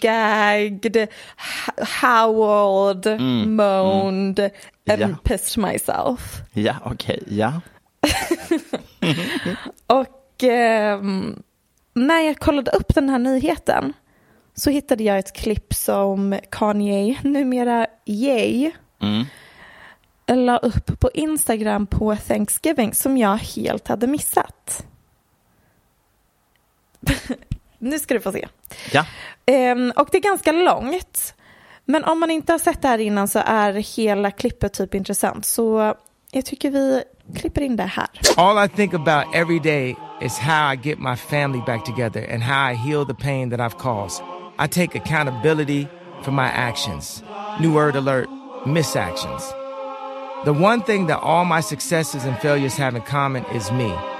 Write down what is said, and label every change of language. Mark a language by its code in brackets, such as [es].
[en] gagged, howled, moaned, and pissed myself. [sv] Ja, okej, ja. Och när jag kollade upp den här nyheten så hittade jag ett klipp som Kanye, numera Ye, la upp på Instagram på Thanksgiving som jag helt hade missat. Nu ska du få se. Ja. Och det är ganska långt. Men om man inte har sett det här innan så är hela klippet typ intressant. Så jag tycker vi klipper in det här. [en] All I think about every day is how I get my family back together and how I heal the pain that I've caused. I take accountability for my actions. New word alert, misactions. The one thing that all my successes and failures have in common is me.